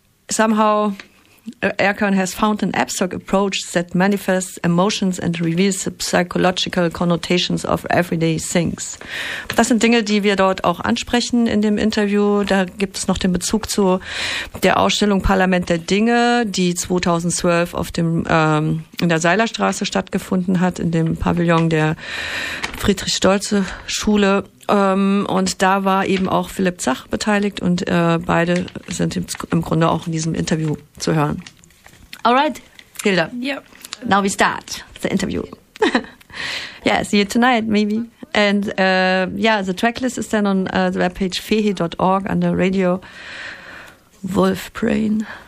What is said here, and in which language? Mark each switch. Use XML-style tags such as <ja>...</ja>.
<en>Somehow Erkan has found an abstract approach that manifests emotions and reveals the psychological connotations of everyday things.</en> <de>Das sind Dinge, die wir dort auch ansprechen in dem Interview. Da gibt es noch den Bezug zu der Ausstellung Parlament der Dinge, die 2012 auf dem in der Seilerstraße stattgefunden hat, in dem Pavillon der Friedrich-Stolze-Schule. Und da war eben auch Philipp Zach beteiligt und beide sind im Grunde auch in diesem Interview zu hören.</de> <en>All right, Hilda. Yeah. Now we start the interview. Yeah, see you tonight, maybe. And the tracklist is then on the webpage fehi.org under Radio Wolf Brain.</en>